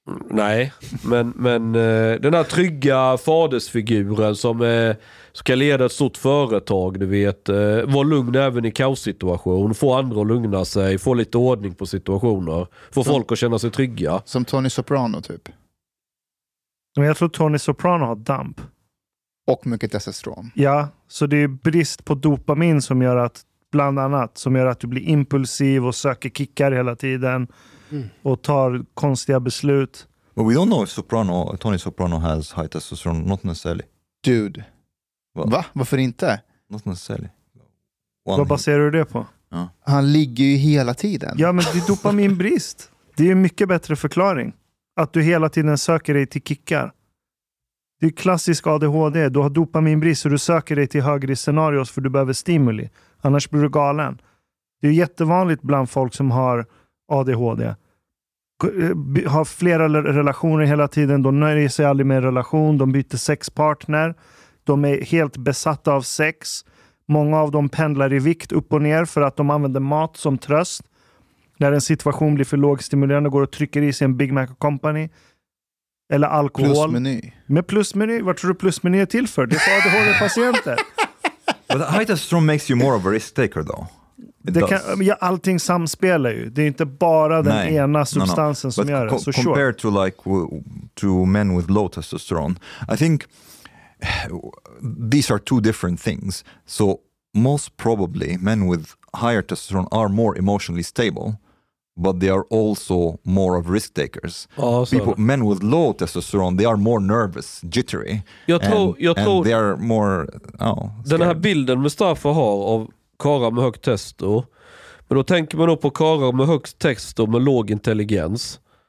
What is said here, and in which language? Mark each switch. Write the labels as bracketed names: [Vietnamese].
[Swedish] Nej, men den här trygga fadersfiguren som ska leda ett stort företag, du vet, var lugn även i kaossituation, få andra att lugna sig, få lite ordning på situationer, få folk att känna sig trygga. Som Tony Soprano typ. Men jag tror Tony Soprano har damp. Och mycket testosteron. Ja, så det är brist på dopamin som gör att, bland annat, som gör att du blir impulsiv och söker kickar hela tiden. Mm. Och tar konstiga beslut. [English] But we don't know if Tony Soprano has high testosterone, not necessarily. Dude. Well, [Swedish] va? Varför inte? [English] Not necessarily. [Swedish] One Vad baserar du det på? [English] Yeah. [Swedish] Han ligger ju hela tiden. Ja, men det är dopaminbrist. Det är en mycket bättre förklaring. Att du hela tiden söker dig till kickar. Det är klassisk ADHD. Du har dopaminbrist och du söker dig till högre scenarios för du behöver stimuli. Annars blir du galen. Det är jättevanligt bland folk som har ADHD. Har flera relationer hela tiden. De nöjer sig aldrig med en relation. De byter sexpartner. De är helt besatta av sex. Många av dem pendlar i vikt upp och ner för att de använder mat som tröst. När en situation blir för lågstimulerande går och trycker i sig en Big Mac Company. Eller alkohol. Plusmeny. Med plusmeny. Vad tror du plusmeny är till för? Det är för ADHD-patienter. [English] But high testosterone makes you more of a risk taker though. [Swedish] Allting samspelar ju. Det är inte bara den ena substansen som gör det. [English] So compared to like to men with low testosterone, I think these are two different things. So most probably men with higher testosterone are more emotionally stable, but they are also more of risk takers. Men with low testosterone, they are more nervous, jittery. [Swedish] Jag tror [English] they are more. Oh, [Swedish] den här bilden Mustafa har av karar med högt testo. Men då tänker man nog på karar med högt testo med låg intelligens.